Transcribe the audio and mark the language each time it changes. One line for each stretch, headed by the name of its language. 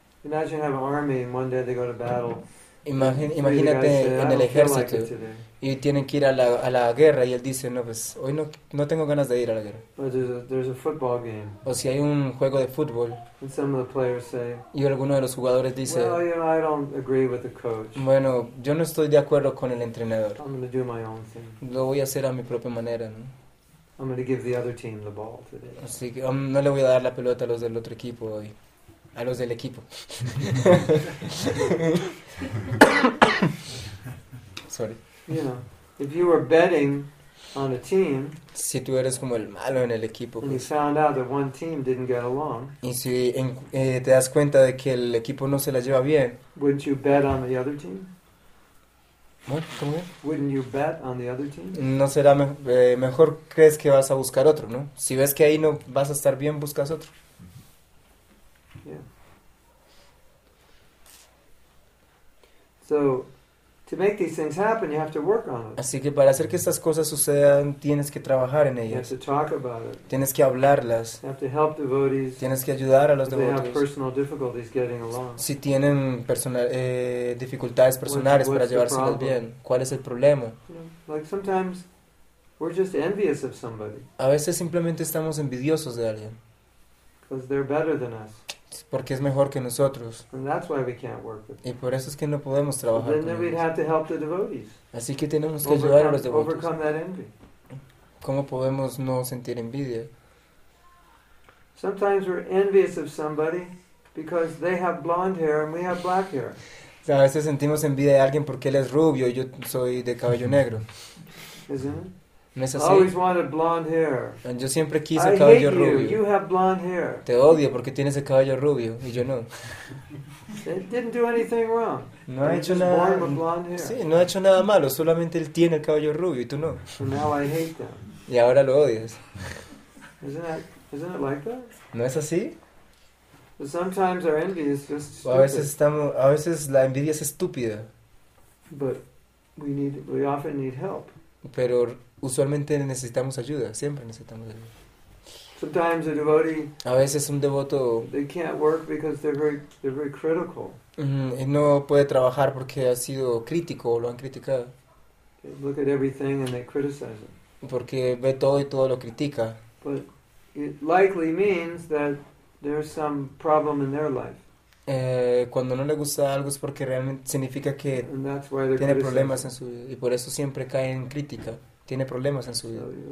English: Imagine have an army and one day they go to battle.
Spanish: Imagínate en el ejército y tienen que ir a la guerra y él dice, no, pues hoy no tengo ganas de ir a la guerra.
English: But there's a football game.
Spanish: O si hay un juego de fútbol.
English: And some of the players say,
Spanish: y alguno de los jugadores dice,
English: well, you know, I don't agree with the coach.
Spanish: Bueno, yo no estoy de acuerdo con el entrenador.
English: I'm gonna do my own thing.
Spanish: Lo voy a hacer a mi propia manera, ¿no?
English: I'm gonna give the other team the ball today.
Spanish: Así que no le voy a dar la pelota a los del otro equipo hoy. A los del equipo.
English: Sorry. You know, if you were betting on a team,
Spanish: si tú eres como el malo en el equipo,
English: and you found out that one team didn't get along,
Spanish: y si te das cuenta de que el equipo no se la lleva bien,
English: wouldn't you bet on the other team? What?
Spanish: ¿Cómo es?
English: Wouldn't you bet on the other team?
Spanish: No será mejor crees que vas a buscar otro, ¿no? Si ves que ahí no vas a estar bien, buscas otro.
English: So, to make these things happen, you have to work on it.
Spanish: Así que para hacer que estas cosas sucedan, tienes que trabajar en ellas.
English: You have to talk about it.
Spanish: Tienes que hablarlas.
English: You have to help devotees.
Spanish: Tienes que ayudar a los devotos.
English: If they have personal difficulties getting along.
Spanish: Si tienen dificultades personales para llevárselas bien, ¿cuál es el problema?
English: Yeah. Like sometimes we're just envious of somebody.
Spanish: A veces simplemente estamos envidiosos de alguien.
English: Because they're better than us.
Spanish: Porque es mejor que nosotros.
English: And that's why we can't work with
Spanish: y por eso es que no podemos trabajar
English: then
Spanish: con
English: then
Spanish: ellos.
English: We'd have to help the devotees.
Spanish: Así que tenemos que ayudar a los devotos.
English: Overcome that envy.
Spanish: ¿Cómo podemos no sentir envidia?
English: Sometimes we're envious of somebody because they have blonde hair and we have black hair.
Spanish: A veces sentimos envidia de alguien porque él es rubio y yo soy de cabello negro. ¿No es así?
English: I always wanted blonde hair.
Spanish: Yo siempre quise
English: I
Spanish: cabello
English: hate
Spanish: rubio.
English: You have blonde hair.
Spanish: Te odio porque tienes el cabello rubio y yo no.
English: It didn't do anything wrong.
Spanish: No ha hecho nada.
English: Born with blonde hair.
Spanish: Sí, no ha hecho nada malo. Solamente él tiene el cabello rubio y tú no.
English: And now I hate them.
Spanish: Y ahora lo odias.
English: Isn't it like that?
Spanish: ¿No es así?
English: But sometimes our envy is just stupid.
Spanish: A veces la envidia es estúpida.
English: But we often need help.
Spanish: Pero usualmente necesitamos ayuda, siempre necesitamos ayuda.
English: Sometimes a devotee,
Spanish: a veces un devoto,
English: they can't work because they're very critical.
Spanish: Y no puede trabajar porque ha sido crítico o lo han criticado.
English: They look at everything and they criticize it.
Spanish: porque ve todo y todo lo critica.
English: But it likely means that there's some problem in their life.
Spanish: Cuando no le gusta algo es porque realmente significa que tiene problemas en su vida, y por eso siempre cae en crítica. Tiene problemas en su vida.